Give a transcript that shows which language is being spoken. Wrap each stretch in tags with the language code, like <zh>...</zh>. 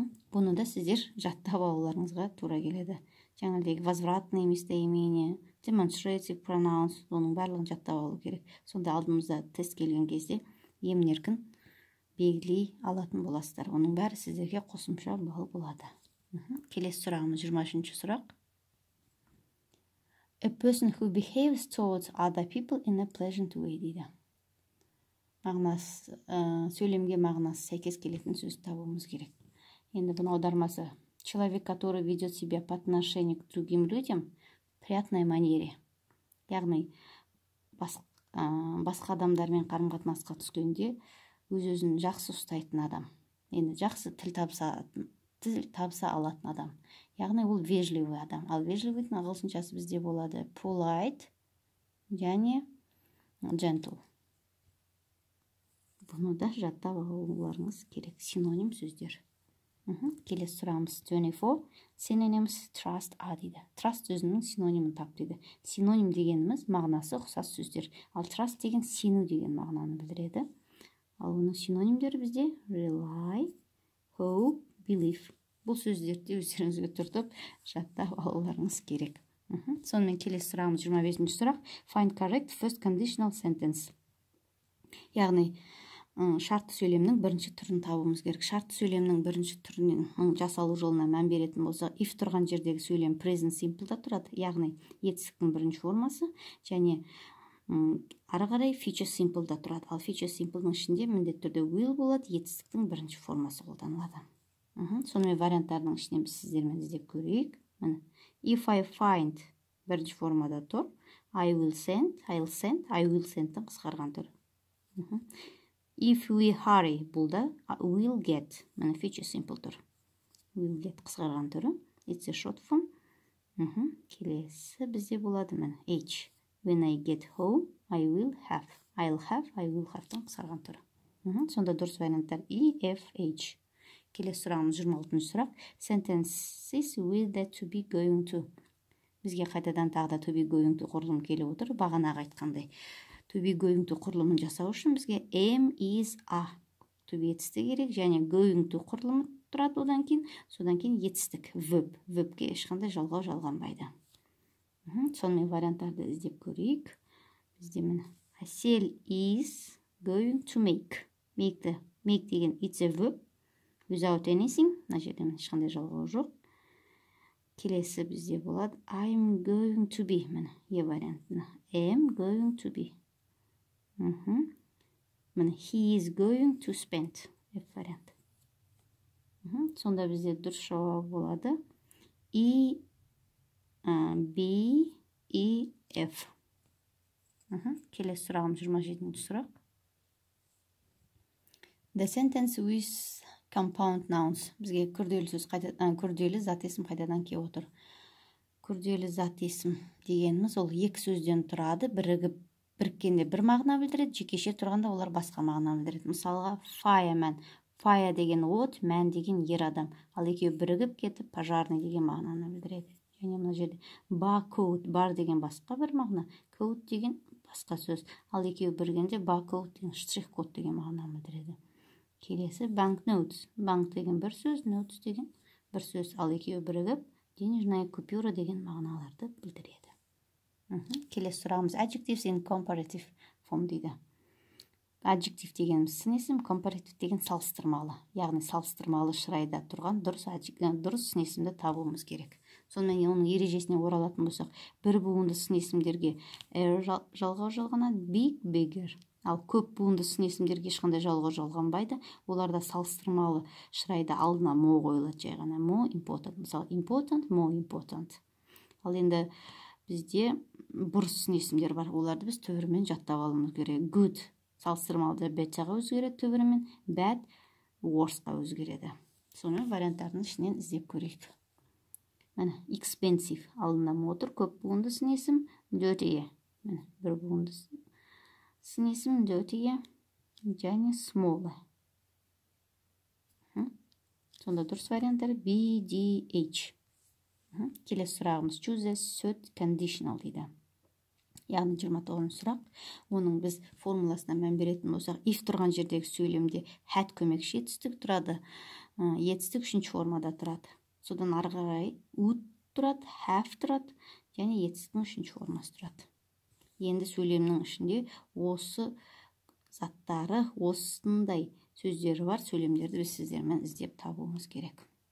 <kk>Бұны да сіздер жаттап алуларыңызға тура келеді. Жаңағы</kk> <ru>возвратное местоимение,</ru> <en>demonstrative pronouns,</en> <kk>оның барлығын жаттап алу керек. Сонда алдымызда тест келген кезде емін-еркін белгілей алатын боласыздар. Оның бәрі сіздерге қосымша бал болады. Келесі сұрағымыз 23-ші сұрақ.</kk> <en>A person who behaves towards other people in a pleasant way дейді.</en> <kk>Сөйлемге мағынасы сәйкес келетін сөзді табуымыз керек. Енді бұны аудармасы.</kk> <ru>Человек, который ведет себя по отношению к другим людям, приятной манере.</ru> <kk>Яғни, басқа адамдармен қарым-қатынасқа түскенде, өз-өзін жақсы ұстайтын адам. Енді жақсы тіл табыса алатын адам. Яғни ол вежливый адам. Ал вежливыйдың ағылшыншасы бізде болады.</kk> <en>Polite және gentle.</en> <kk>Бұны да жаттап алуларыңыз керек. Синоним сөздер. Келесі сұрамыз 24. Синонимс trust are дейді. Trust сөзінің синонимін тап дейді. Синоним дегеніміз мағынасы ұқсас сөздер. Ал trust деген сену деген мағынаны білдіреді. Ал оның синонимдері бізде rely, hope, believe. Бұл сөздерді өздеріңізге тұртып жаттап алуларыңыз керек. Сонымен келесі сұрағымыз 25-ші сұрақ.</kk> <en>Find correct first conditional sentence.</en> <kk>Яғни шартты сөйлемнің бірінші түрін табуымыз керек. Шартты сөйлемнің бірінші түрінің жасалу жолына мән беретін болса, if тұрған жердегі сөйлем present simple-да тұрады. Яғни етістіктің бірінші формасы және ары қарай feature simple-да тұрады. Ал feature simple-ның ішінде міндетті түрде will болады, етістіктің бірінші формасы қолданылады. Сонымен варианттардың ішінен біз сіздермен іздеп көрейік.</kk> <en>If I find</en> <kk>бірінші формада тұр,</kk> <en>I will send-</en> <kk>тің қысқарған түрі.</kk> <en>If we hurry, бұл да will get.</en> <kk>Міне feature simple тұр. Will get қысқарған түрі.</kk> <en>It's a short form.</en> <kk>Келесі бізде болады міне H.</kk> <en>When I get home, I will have.</en> <kk>I will have-тан қысқарған түрі. Сонда дұрыс варианттар E, F, H. Келесі сұрағымыз 26-ші сұрақ.</kk> <en>Sentences with the to be going to.</en> <kk>Бізге қайтадан тағы да to be going to құрылым келіп отыр. Бағанаға айтқандай. To be going to құрылымын жасау үшін бізге am, is, are. To be етісті керек. Және going to құрылымы тұрады одан кейін. Содан кейін етістік. Verb. Verbге ешқандай жалғау жалғанбайды. Сонымен варианттарды іздеп көрейік. Бізде мен</kk> <en>Hasel is going to make.</en> <kk>Make-ді.</kk> <en>Make деген it's a verb. Without anything.</en> <kk>Мына жерде мен ешқандай жалғау жоқ. Келесі бізде болады.</kk> <en>I'm going to be.</en> <kk>Мен е вариантына.</kk> <en>Am going to be. Мен he is going to spend.</en> <kk>Е вариант. Сонда бізде дұрыс жауап болады. E B, E, F. Келесі сұрағым 27-ші сұрақ.</kk> <en>The sentence with compound nouns.</en> <kk>Бізге күрделі сөз күрделі зат есім қайтадан келіп отыр. Күрделі зат есім дегеніміз ол екі сөзден тұрады, бірігіп біріккенде бір мағына білдіреді, жекеше тұрғанда олар басқа мағына білдіреді. Мысалға fire man, fire деген от, man деген ер адам, ал екеуі бірігіп кетіп пожарный деген мағынаны білдіреді. Және мына жерде bakut, бар деген басқа бір мағына, kut деген басқа сөз, ал екеуі біргенде bakut деген штрих код деген мағынаны білдіреді. Келесі banknotes. Банк деген бір сөз, notes деген бір сөз, ал екеуі бірігіп денежная купюра деген мағыналарды білдіреді. Келесі сұрағымыз</kk> <en>adjectives in comparative form</en> <kk>дейді. Adjective дегеніміз сын есім, comparative деген салыстырмалы. Яғни салыстырмалы шырайда тұрған дұрыс дұрыс сын есімді табуымыз керек. Сонымен оның ережесіне оралатын болсақ, бір буынды сын есімдерге жалғау жалғана big, bigger. Ал көп буынды сын есімдерге ешқандай жалғау жалғанбайды. Оларда салыстырмалы шырайда алдына more қойылады жай ғана.</kk> <en>More important. Мысалы important, more important.</en> <kk>Ал енді бізде бұрыс сын есімдер бар. Оларды біз түбірімен жаттап алуымыз керек. Good салыстырмалы да better-ға өзгереді түбірімен. Bad worse-ға өзгереді. Соны варианттардың ішінен іздеп көрейік. Міне, expensive алдына мотор көп буынды сын есім, dirty. Міне, бір буынды сын есім dirty және small. Сонда дұрыс варианттар B, D, H. Келесі сұрағымыз</kk> <en>choose a suit conditional</en> <kk>дейді. Яғни 29 сұрақ. Оның біз формуласына мән беретін болсақ, if тұрған жердегі сөйлемде had көмекші етістік тұрады. Етістік үшінші формада тұрады. Содан арғы қарай would тұрады, have тұрады және етістіктің үшінші формасы тұрады. Енді сөйлемнің ішінде осы заттары, осындай сөздері бар сөйлемдерді біз сіздермен іздеп табуымыз керек.</kk>